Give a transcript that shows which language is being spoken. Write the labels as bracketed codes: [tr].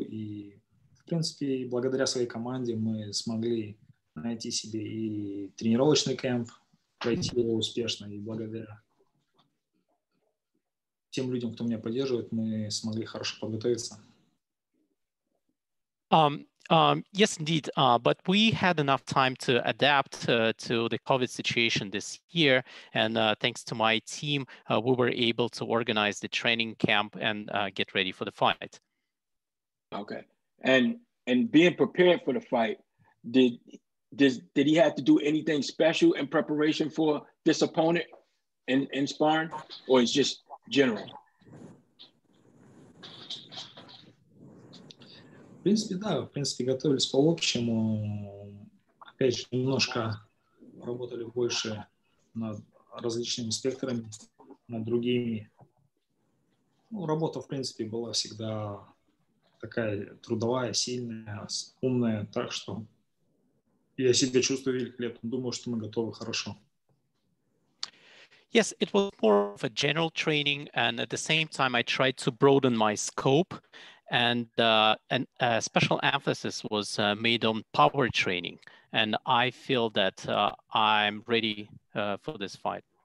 [ru] И, в принципе, благодаря своей команде мы смогли найти себе и тренировочный кемп, пройти его успешно. И благодаря тем людям, кто меня поддерживает, мы смогли хорошо подготовиться. [en] Yes, indeed. But we had enough time to adapt to the COVID situation this year. And thanks to my team, we were able to organize the training camp and get ready for the fight. Okay. And being prepared for the fight, did he have to do anything special in preparation for this opponent in sparring, or is just general? [ru] В принципе, да, в принципе, готовились по-общему. Опять же, немножко работали больше над различными спектрами, над другими. Ну, работа, в принципе, была всегда такая трудовая, сильная, умная. Так что я себя чувствую великолепно. Думаю, что мы готовы хорошо. [en] Yes, it was more of a general training, and at the same time I tried to broaden my scope. And a special emphasis was made on power training. And I feel that I'm ready for this fight.